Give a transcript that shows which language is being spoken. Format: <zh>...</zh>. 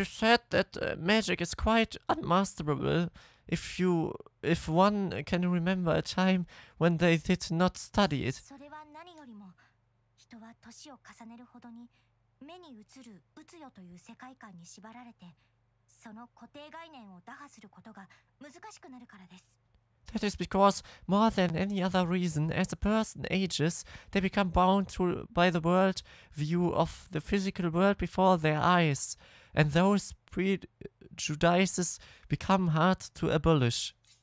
<en>is said that magic is quite unmasterable if one can remember a time when they did not study it.</en> <ja>それは何よりも人は年を重ねるほどに目に映る宇宙よという世界観に縛られてその固定概念を打破することが難しくなるからです。</ja> <en>That is because, more than any other reason, as a person ages, they become bound to by the world view of the physical world before their eyes, and those prejudices become hard to abolish.</en>